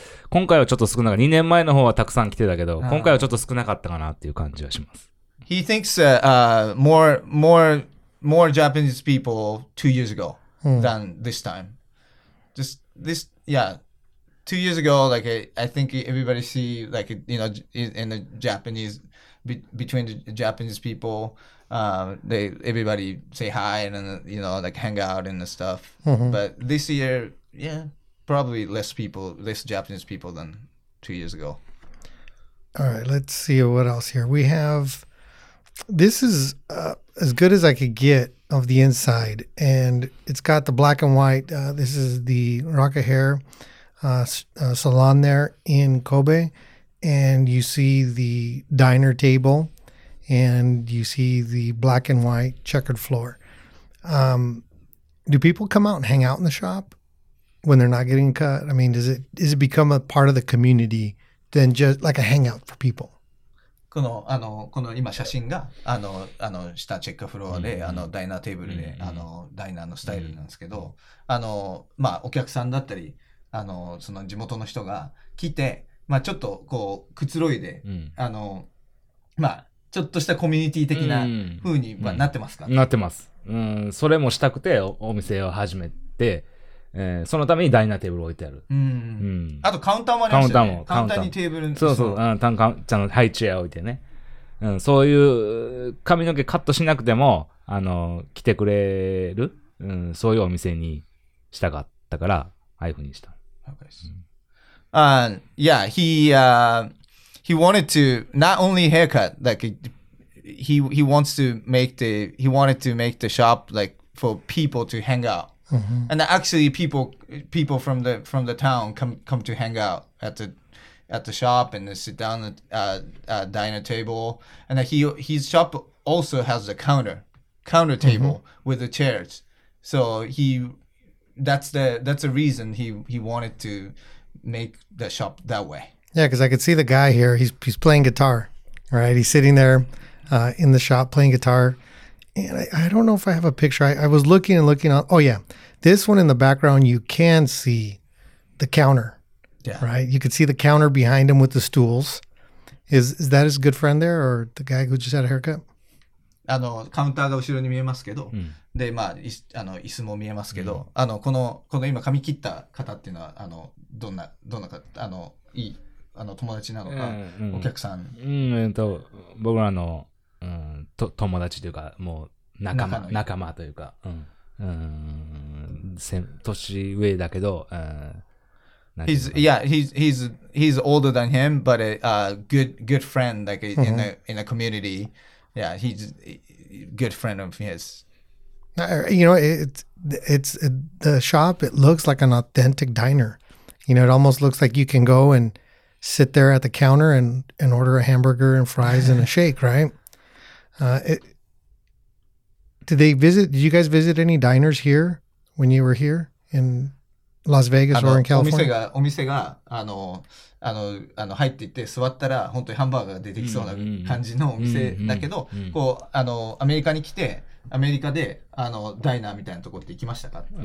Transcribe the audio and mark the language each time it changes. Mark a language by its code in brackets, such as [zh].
[ja] 今回はちょっと少なかった。2年前の方はたくさん来てたけど、今回はちょっと少なかったかなっていう感じはします。 [en] He thinks more Japanese people 2 years ago than this time. Just this, yeah. 2 years ago, like I think everybody see like you know in the Japanese between the Japanese people, everybody say hi and then, you know like hang out and the stuff. Mm-hmm. But this year, yeah, probably less Japanese people than 2 years ago. All right, let's see what else here. We have, this is as good as I could get of the inside, and it's got the black and white. This is the Rocka Hair salon there in Kobe, and you see the diner table, and you see the black and white checkered floor. Do people come out and hang out in the shop when they're not getting cut? I mean, does it become a part of the community than just like a hangout for people? [ja] この、あの、この今写真が、あの、あの、下チェックフロアで、あの、ダイナーテーブルで、あの、ダイナーのスタイルなんですけど、あの、まあ、お客さんだったり、あの、その地元の人が来て、まあ、ちょっとこう、くつろいで、あの、まあ、ちょっとしたコミュニティ的な風にはなってますか？なってます。うん、それもしたくて、お店を始めて、そのためにダイナーテーブル置いてある。うん。あとカウンターもありますよね。カウンターも。カウンターにテーブル。そうそう。うん。カウンターのハイチェア置いてね。うん。そういう髪の毛カットしなくても、あの、来てくれる、うん、そういうお店にしたかったから、ああいうふうにした。 [en] Okay. He wanted to, not only haircut, like, he wants to make the, he wanted to make the shop, like, for people to hang out. Mm-hmm. And actually, people from the town come to hang out at the shop and sit down at a diner table. And his shop also has a counter table, mm-hmm. with the chairs. So that's the reason he wanted to make the shop that way. Yeah, because I could see the guy here. He's playing guitar, right? He's sitting there in the shop playing guitar. And I don't know if I have a picture. I was looking and looking on. Oh, yeah. This one in the background, you can see the counter, yeah. Right? You could see the counter behind him with the stools. Is that his good friend there or the guy who just had a haircut? [ja] あの、カウンターが後ろに見えますけど、うん、で、まあ、あの、椅子も見えますけど、うん、あの、この今髪切った方っていうのは、あの、どんなか、あの、いい、あの、友達なのか、お客さん。僕らの、うん、友達というか、もう仲間というか、年上だけど、 [en] he's older than him, but a good friend, like a, in a community. Yeah, he's a good friend of his. You know, it's the shop, it looks like an authentic diner. You know, it almost looks like you can go and sit there at the counter and order a hamburger and fries and a shake, right? Did you guys visit any diners here when you were here in Las Vegas or in California? [ja] お店が、あの、入っていって座ったら本当にハンバーガーが出てきそうな感じのお店だけど、こう、あの、アメリカに来て、アメリカで、あの、ダイナーみたいなところって行きましたか？